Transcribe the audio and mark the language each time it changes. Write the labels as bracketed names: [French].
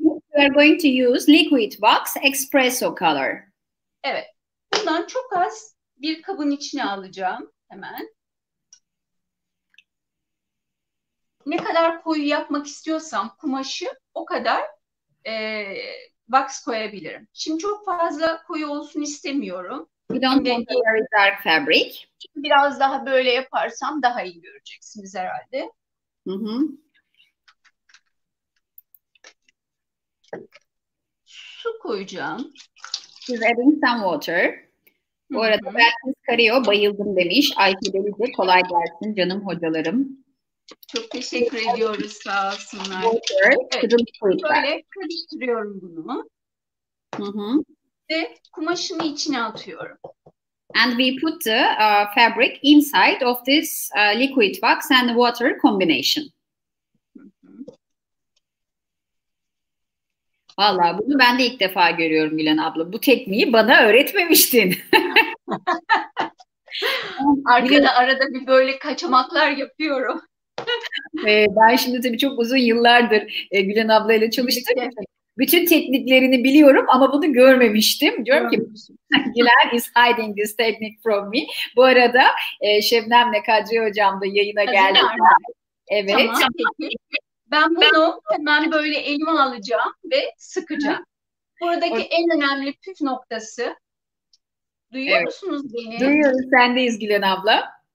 [English] This we are going to use liquid wax espresso color. [Turkish] Evet. Bundan çok az bir kabın içine alacağım hemen. Ne kadar koyu yapmak istiyorsam kumaşı o kadar wax koyabilirim. Şimdi çok fazla koyu olsun istemiyorum. [English] We don't want a very dark fabric. [Turkish] Biraz daha böyle yaparsam daha iyi göreceksiniz herhalde. Su koyacağım. [English] She's adding some water. [Turkish] Bu arada Belkis Kario bayıldım demiş. Ayşe Deniz'e kolay gelsin canım hocalarım. Çok teşekkür ediyoruz sağ olsunlar. Water, evet, böyle karıştırıyorum bunu. Ve kumaşını içine atıyorum. [English] And we put the fabric inside of this liquid wax and water combination. [Turkish] Valla bunu ben de ilk defa görüyorum Gülen abla. Bu tekniği bana öğretmemiştin. Arkada arada bir böyle kaçamaklar yapıyorum. Ben şimdi tabii çok uzun yıllardır Gülen abla ile çalıştım. Bütün tekniklerini biliyorum ama bunu görmemiştim. Diyorum ki [English] Gülen is hiding this technique from me. [Turkish] Bu arada Şebnem'le Kadri Hocam da yayına geldi. Evet. Tamam, peki. Ben bunu hemen böyle elime alacağım ve sıkacağım. Buradaki en önemli püf noktası. Duyuyor evet. musunuz beni? Duyuyoruz. Sendeyiz Gülen abla.